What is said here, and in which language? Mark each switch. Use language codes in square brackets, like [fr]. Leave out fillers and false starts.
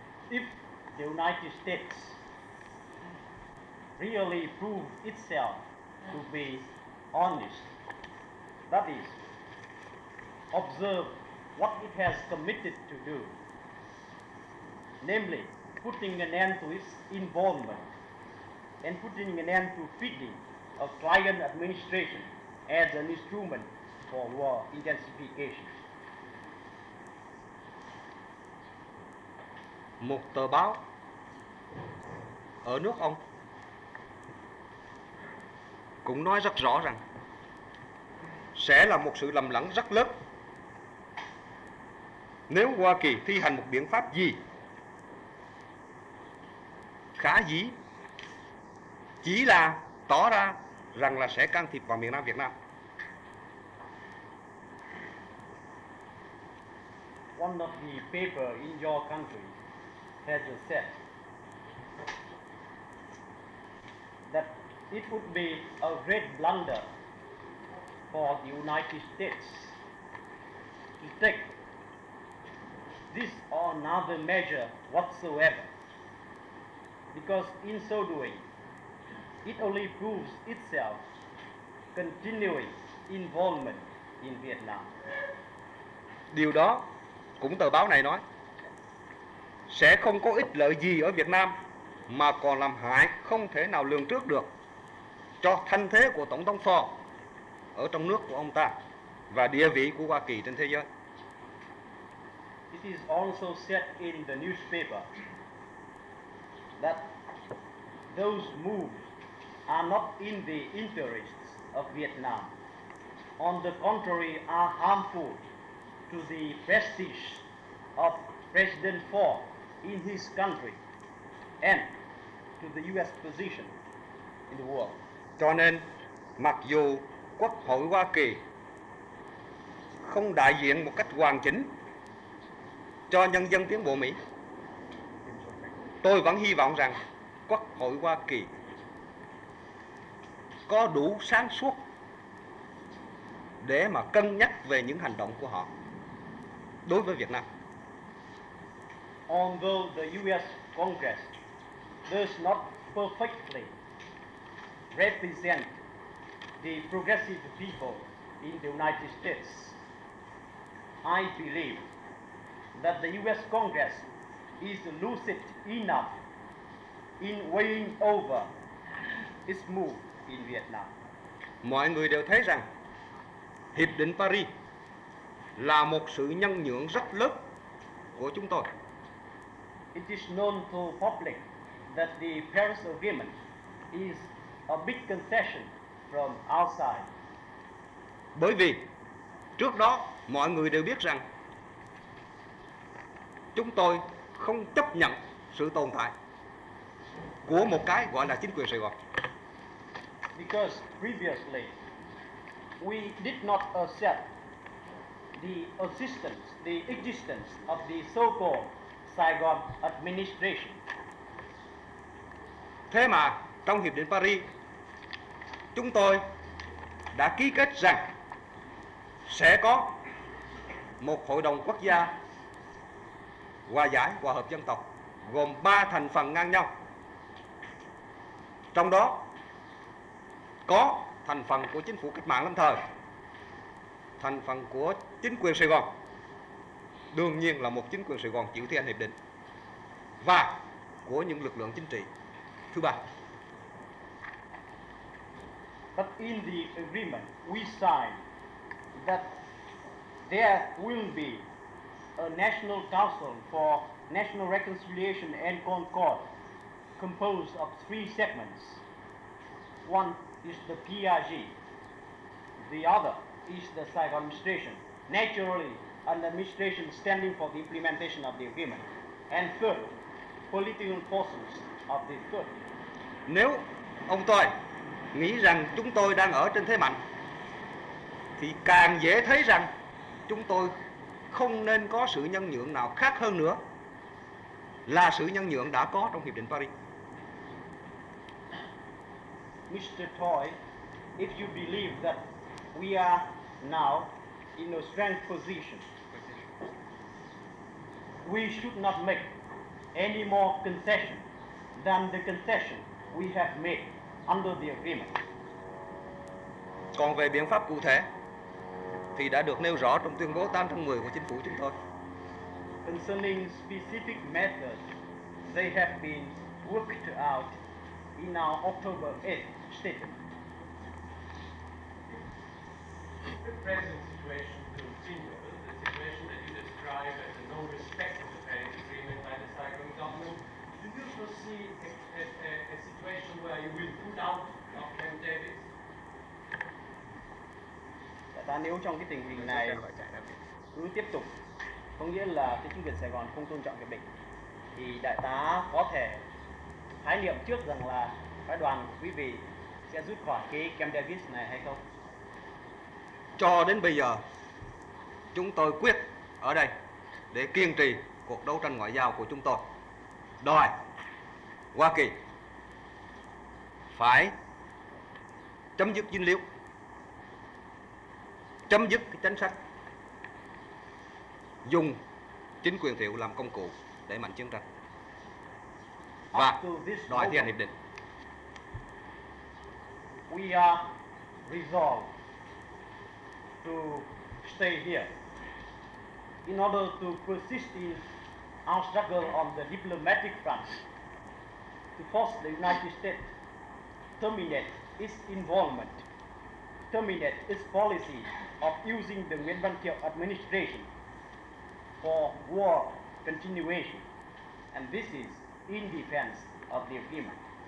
[en] If the United States really prove itself to be honest, that is, observe what it has committed to do, namely putting an end to its involvement and putting an end to feeding a client administration as an instrument for war intensification. [vi] Một tờ báo ở nước ông cũng nói rất rõ rằng sẽ là một sự lầm lẫn rất lớn nếu Hoa Kỳ thi hành một biện pháp gì khả dĩ chỉ là tỏ ra rằng là sẽ can thiệp vào miền Nam Việt Nam. [en] One of the paper in your country has said that it would be a great blunder for the United States to take this or another measure whatsoever, because in so doing, it only proves itself continuing involvement in Vietnam. [vi] Điều đó cũng tờ báo này nói sẽ không có ích lợi gì ở Việt Nam mà còn làm hại không thể nào lường trước được cho thanh thế của Tổng thống Ford ở trong nước của ông ta và địa vị của Hoa Kỳ trên thế giới. [en] It is also said in the newspaper that those moves are not in the interests of Vietnam. On the contrary, are harmful to the prestige of President Ford in his country and to the US position in the world. [vi] Cho nên, mặc dù Quốc hội Hoa Kỳ không đại diện một cách hoàn chỉnh cho nhân dân tiến bộ Mỹ, tôi vẫn hy vọng rằng Quốc hội Hoa Kỳ có đủ sáng suốt để mà cân nhắc về những hành động của họ đối với Việt Nam. [en] Although the US Congress does not perfectly represent the progressive people in the United States, I believe that the US Congress is lucid enough in weighing over its move in Vietnam. [vi] Mọi người đều thấy rằng Hiệp định Paris là một sự nhân nhượng rất lớn của chúng tôi. [en] It is known to public that the Paris Agreement is a big concession from our side. [vi] Bởi vì trước đó mọi người đều biết rằng chúng tôi không chấp nhận sự tồn tại của một cái gọi là chính quyền Sài Gòn. [en] Because previously we did not accept the existence, of the so-called Saigon administration. [vi] Thế mà trong Hiệp định Paris, chúng tôi đã ký kết rằng sẽ có một hội đồng quốc gia hòa giải, hòa hợp dân tộc gồm ba thành phần ngang nhau. Trong đó có thành phần của chính phủ cách mạng lâm thời, thành phần của chính quyền Sài Gòn, đương nhiên là một chính quyền Sài Gòn chịu thi hành hiệp định, và của những lực lượng chính trị. Thứ ba. [en] But in the agreement we signed that there will be a national council for national reconciliation and concord composed of three segments. One is the PRG, the other is the Saigon administration, naturally an administration standing for the implementation of the agreement, and third, political forces of the third. [vi] Nếu ông tôi nghĩ rằng chúng tôi đang ở trên thế mạnh thì càng dễ thấy rằng chúng tôi không nên có sự nhân nhượng nào khác hơn nữa là sự nhân nhượng đã có trong Hiệp định Paris. [en] Mr. Toy, if you believe that we are now in a strong position. We should not make any more concession than the concession we have made under the agreement. [vi] Còn về biện pháp cụ thể thì đã được nêu rõ trong tuyên bố 8/10 của chính phủ chúng tôi. [en] Concerning specific methods, they have been worked out in our October 8th statement. If the present situation continues, the situation that you describe as a non-respect of the Paris Agreement by the Saigon government, do you foresee a situation where you will put out of Camp David? [vi] Ta nếu trong cái tình hình này cứ tiếp tục, có nghĩa là cái chính quyền Sài Gòn không tôn trọng hiệp định, thì đại tá có thể khái niệm trước rằng là phái đoàn của quý vị sẽ rút khỏi cái Camp David này hay không? Cho đến bây giờ, chúng tôi quyết ở đây để kiên trì cuộc đấu tranh ngoại giao của chúng tôi. Đòi Hoa Kỳ phải chấm dứt dính líu, chấm dứt cái chính sách dùng chính quyền thiệu làm công cụ để mạnh chiến tranh và đòi thi hành hiệp định. [en] We are resolved to stay here in order to persist in our struggle on the diplomatic front to force the United States terminate its involvement, terminate its policy of using the Nguyễn Văn Thiệu administration for war continuation, and this is in defense of the agreement.